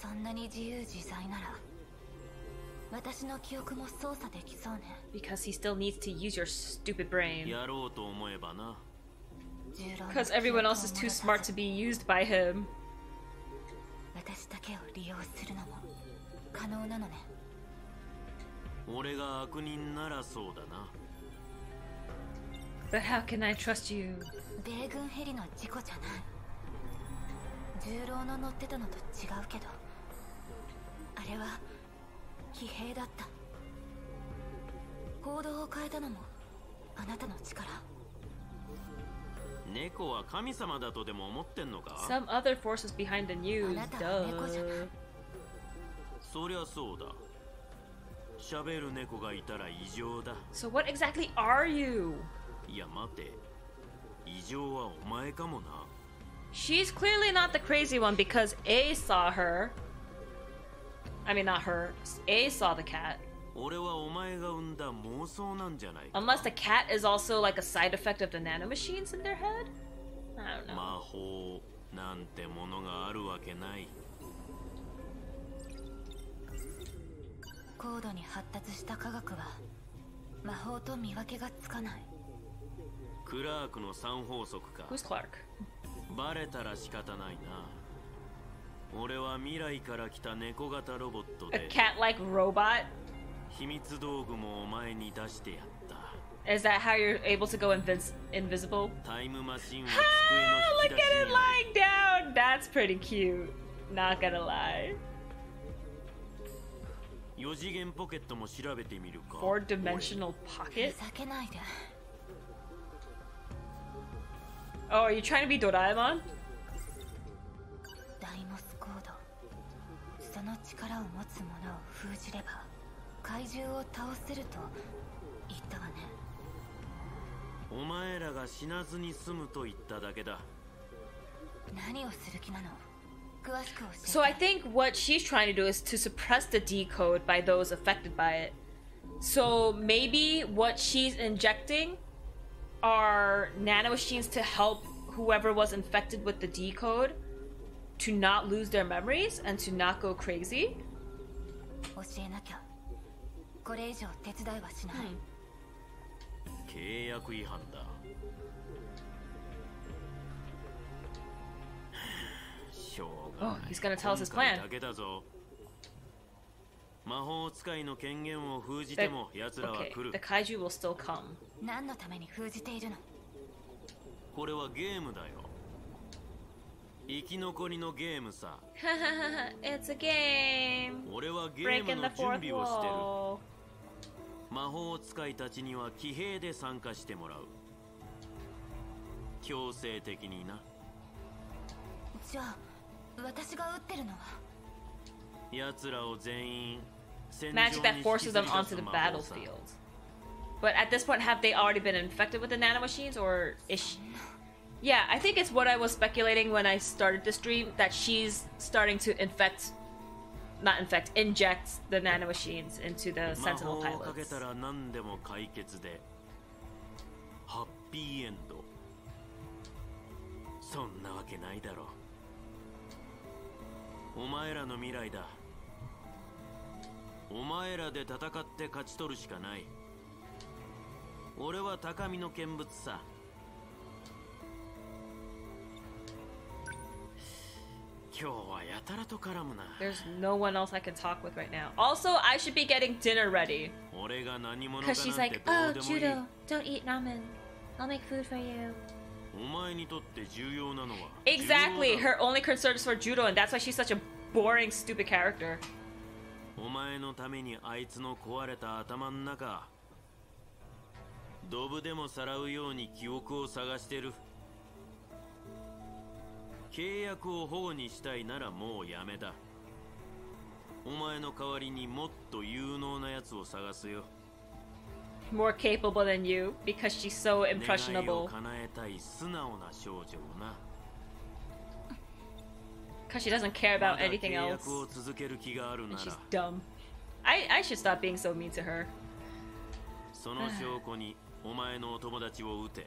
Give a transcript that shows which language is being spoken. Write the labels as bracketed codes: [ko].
[ja] そんなに自由自在なら、私の記憶も操作できそうね。 [en] Because he still needs to use your stupid brain. [ja] やろうと思えばな。 [en] Because everyone else is too smart to be used by him. [ja] 私だけを利用するのも可能なのね。俺が悪人ならそうだな。 [en] But how can I trust you? [ja] 米軍ヘリの事故じゃない。重郎の乗ってたのと違うけど、あれは騎兵だった。行動を変えたのもあなたの力。猫は神様だとでも思ってんのか。 [en] Some other forces behind the news. [ja] あなたは猫じゃない。そりゃそうだ。喋る猫がいたら異常だ。 [en] So what exactly are you? [ja] いや待て、異常はお前かもな。 [en] She's clearly not the crazy one because A saw her. I mean not her. A saw the cat. [ja] 俺はお前が生んだ妄想なんじゃないか。 [en] Unless the cat is also like a side effect of the nanomachines in their head? I don't know. [ja] 魔法なんてものがあるわけない。高度に発達した科学は魔法と見分けがつかない。クラークの三法則か。 [en] Who's Clark? [ja] バレたら仕方ないな。俺は未来から来た猫型ロボットで。 [en] A cat-like robot? [ja] 秘密道具もお前に出してやった。 [en] Is that how you're able to go invisible? [ja] タイムマシンは机の引き出しに。 [en] Ha! Look at it lying down! That's pretty cute. Not gonna lie. [ja] 四次元ポケットも調べてみるか。 [en] Four-dimensional pocket? [ja] ふざけないで。 [en] Oh, are you trying to be Doraemon? Daimos code. [ja] その力を持つ者を封じれば、怪獣を倒せると言ったわね。お前らが死なずに済むと言っただけだ。何をする気なの？詳しく教えて。 [en] So I think what she's trying to do is to suppress the decode by those affected by it. So maybe what she's injecting. Are nanomachines to help whoever was infected with the decode to not lose their memories and to not go crazy? [ja] 教えなきゃ。これ以上手伝いはしない。契約違反だ。しょうがない。 [en] Oh, he's gonna tell us his plan. [ja] だけだぞ。魔法使いの権限を封じても奴らは来る。 [en] The kaiju will still come. [ja] 何のために封じているの？これはゲームだよ。生き残りのゲームさ。 [en] It's a game. [ja] 俺はゲームの準備をしてる。魔法使いたちには騎兵で参加してもらう。強制的にな。じゃあ、私が撃ってるのは？奴らを全員 [en] Magic that forces them onto the battlefield. But at this point, have they already been infected with the nanomachines, or is she... Yeah, I think it's what I was speculating when I started the stream, that she's starting to infect... Not infect, inject the nanomachines into the Sentinel pilots. [ja] 魔法をかけたら何でも解決で。ハッピーエンド。そんなわけないだろう。お前らの未来だ。お前らで戦って勝ち取るしかない。俺は高みの見物さ。今日はやたらと絡むな。 [en] There's no one else I can talk with right now. Also, I should be getting dinner ready. [ja] 俺が何者かなんてどうでもいい。 [en] Cause she's like, oh, Judo, don't eat ramen. I'll make food for you. [ja] お前にとって重要なのは。 [en] Exactly. Her only concern is for Judo, and that's why she's such a boring, stupid character. [ja] お前のためにあいつの壊れた頭の中。ドブでもさらうように記憶を探してる。契約を保護にしたいならもうやめだ。お前の代わりにもっと有能なやつを探すよ。 [en] More capable than you, because she's so impressionable. [ja] 願いを叶えたい素直な少女な。 [en] Cause she doesn't care about anything else. [ja] まだ契約を続ける気があるなら。 [en] And she's dumb. I should stop being so mean to her. [ja] その証拠に。お前のお友達を撃て。